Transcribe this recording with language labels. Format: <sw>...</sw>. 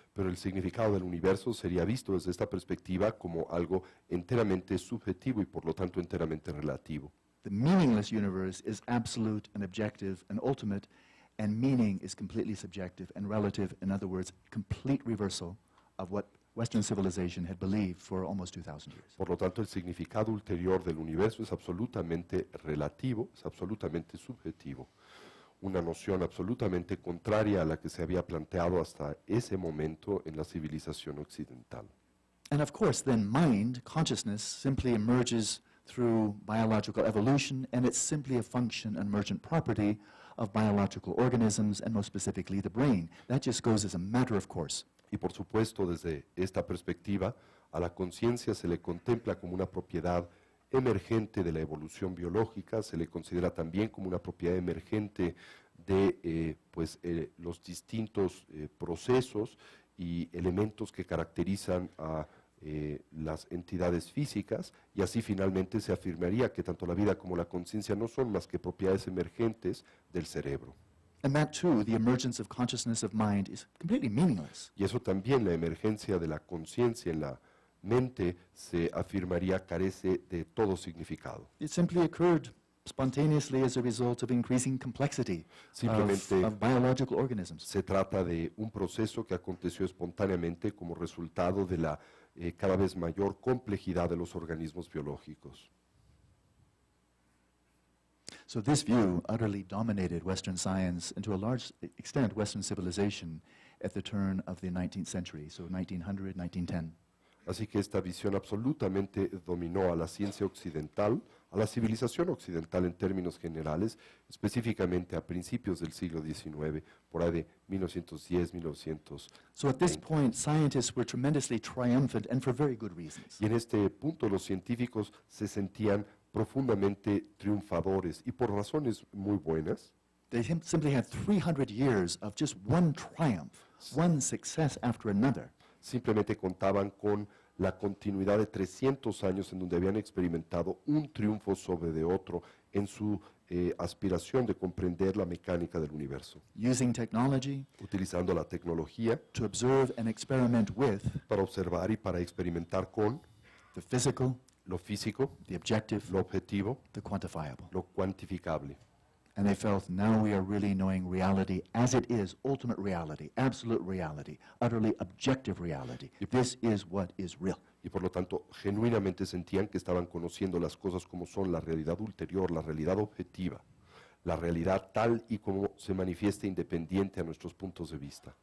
<es>Pero el significado del universo sería visto desde esta perspectiva como algo enteramente subjetivo y por lo tanto enteramente relativo.</es> <en>The meaningless universe is absolute and objective and ultimate, and meaning is completely subjective and relative, in other words, complete reversal of what Western civilization had believed for almost 2,000 years.</en> <es>Por lo tanto, el significado ulterior del universo es absolutamente relativo, es absolutamente subjetivo. Una noción absolutamente contraria a la que se había planteado hasta ese momento en la civilización occidental.</es> <en>And of course, then mind, consciousness, simply emerges through biological evolution, and it's simply a function, an emergent property of biological organisms, and most specifically the brain. That just goes as a matter of course.</en> <es>Y por supuesto, desde esta perspectiva, a la conciencia se le contempla como una propiedad emergente de la evolución biológica, se le considera también como una propiedad emergente de los distintos procesos y elementos que caracterizan a las entidades físicas, y así finalmente se afirmaría que tanto la vida como la conciencia no son más que propiedades emergentes del cerebro.</es> <en>And that too, the emergence of consciousness of mind is completely meaningless.</en> <es>Y eso también, la emergencia de la conciencia en la mente, se afirmaría carece de todo significado.</es> <en>It simply occurred spontaneously as a result of increasing complexity of biological organisms.</en> <es>Se trata de un proceso que aconteció espontáneamente como resultado de la cada vez mayor complejidad de los organismos biológicos.</es> <en>So this view utterly dominated Western science and to a large extent Western civilization at the turn of the 19th century, so 1900, 1910.</en> <es>Así que esta visión absolutamente dominó a la ciencia occidental, a la civilización occidental en términos generales, específicamente a principios del siglo XIX, por ahí de 1910, 1920.</es> <en>So at this point, scientists were tremendously triumphant and for very good reasons.</en> <es>Y en este punto los científicos se sentían profundamente triunfadores y por razones muy buenas.</es> <en>They simply had 300 years of just one triumph, one success after another.</en> <es>Simplemente contaban con la continuidad de 300 años en donde habían experimentado un triunfo sobre de otro en su aspiración de comprender la mecánica del universo.</es> <en>Using technology,</en> <es>utilizando la tecnología,</es> <en>to observe and experiment with,</en> <es>para observar y para experimentar con</es> <en>the physical,</en> <es>lo físico,</es> <en>the objective,</en> <es>lo objetivo,</es> <en>the quantifiable,</en> <es>lo cuantificable.</es> <en>And they felt, now we are really knowing reality as it is, ultimate reality, absolute reality, utterly objective reality. This is what is real.</en> <es>Y por lo tanto, genuinamente sentían que estaban conociendo las cosas como son, la realidad ulterior, la realidad objetiva, la realidad tal y como se manifiesta independiente a nuestros puntos de vista.</es>